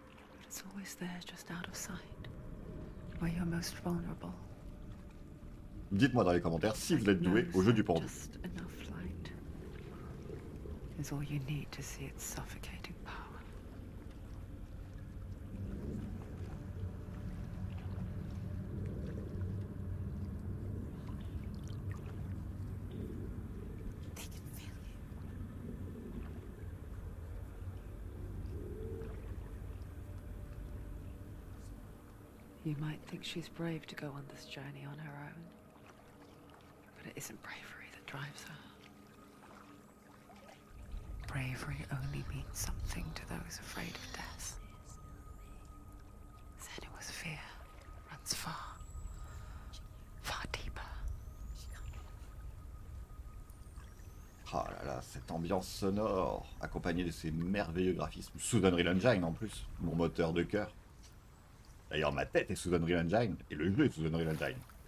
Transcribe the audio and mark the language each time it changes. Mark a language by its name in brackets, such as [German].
[English] But it's always there, just out of sight. Where you're most vulnerable. [French] Dites-moi dans les commentaires si vous êtes doué au jeu du pendu. [English] Just enough light. It's all you need to see its suffocating power. You might think she's brave to go on this journey on her own, but it isn't bravery that drives her. Bravery only means something to those afraid of death. Then it was fear runs far, far deeper. [French] Ah là là, cette ambiance sonore, accompagnée de ces merveilleux graphismes, sous Unreal Engine en plus, mon moteur de cœur. D'ailleurs, ma tête est sous Unreal Engine, et le jeu est sous Unreal Engine.